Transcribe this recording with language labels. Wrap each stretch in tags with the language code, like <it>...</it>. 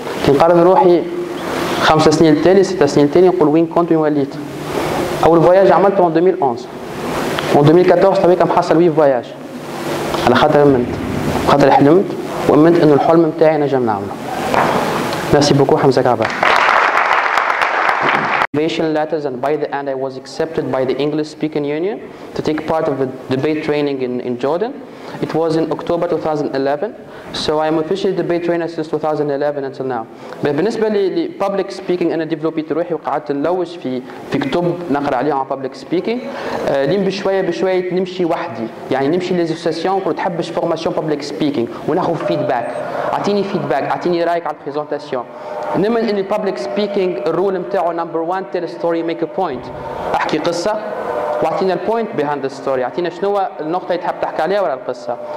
<ar>كي نقرر روحي 5 سنين التالي 6 سنين التالي نقول وين كنت وين وليت. اول فواياج عملته في 2011 وفي 2014 تبعي كم حصل وي فواياج على خاطر امنت خاطر حلمت وامنت انه الحلم متاعي نجم نعمله.</ar> <fr>ميرسي بوكو حمزه كعبه.</fr> <en>Motivation letters, and by the end I was accepted by the English speaking union to take part of a debate training in Jordan. It was in October 2011, so I'm officially a debate trainer since 2011 until now.</en> <ar>But بالنسبة لpublic speaking أنا developed روحي وقعدت نلوش في كتب نقرأ عليها عن public speaking. لين بشوية بشوية نمشي وحدي يعني نمشي للأسوسيسيون كنت حبش formation public speaking وناخذ feedback. أعطيني feedback أعطيني رأيك على البرزنتاسيون. نمن إن public speaking الرول متاعه</ar> <en>number one tell a story make a point</en> <ar>أحكي قصة وعطينا البوينت بهاند ستوري عطينا شنو النقطة اللي تحب تحكي عليها ولا القصة.</ar>